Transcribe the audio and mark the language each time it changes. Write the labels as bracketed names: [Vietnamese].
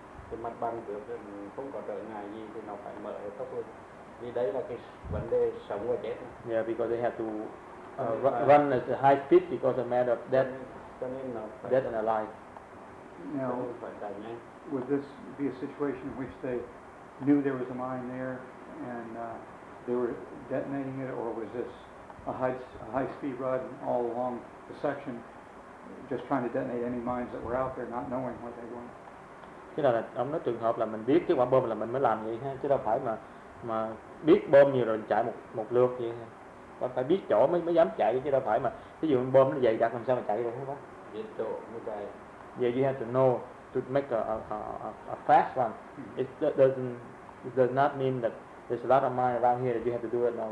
[Vietnamese] Cái mặt bằng được không có trở ngại gì thì nó phải mở tốc lên. Vì đấy là cái vấn đề sống và chết. [English] Yeah, because they have to run at a high speed because of matter of death, [Vietnamese] cho nên nó phải [English] death and alive. Now, would this be a situation in which they knew there was a mine there and they were detonating it, or was this a high speed run all along the section just trying to detonate any mines that were out there not knowing what they were? [Vietnamese] Chứ là ông nói trường hợp là mình biết cái quả bom là mình mới làm vậy ha, chứ đâu phải mà biết bom nhiều rồi chạy một lượt vậy ha. Bạn phải biết chỗ mới dám chạy chứ đâu phải mà ví dụ bom nó dày đặc làm sao mà chạy được hết bác. Biết chỗ mới chạy. [English] Yeah, you have to know to make a fast run. It does not mean that there's a lot of mine around here that you have to do it now.